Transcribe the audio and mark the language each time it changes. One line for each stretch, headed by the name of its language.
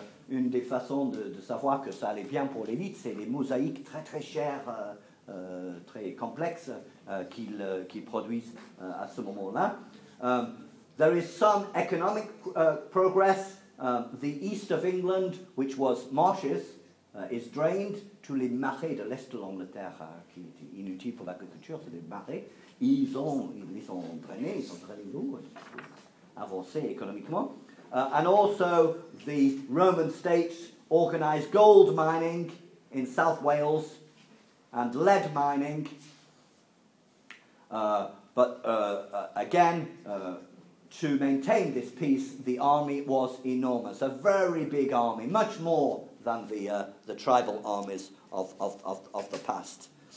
French: Une des façons de savoir que ça allait bien pour l'élite, c'est les mosaïques très très chères, très complexes, qu'ils produisent à ce moment-là.
English: There is some economic progress. The east of England, which was marshes, is drained.
French: Tous les marais de l'est de l'Angleterre, qui étaient inutiles pour l'agriculture, c'est des marais. Ils ont drainé l'eau, avancé économiquement.
English: And also, the Roman state organized gold mining in South Wales and lead mining. But again, to maintain this peace, the army was enormous, a very big army, much more than the tribal armies of the past.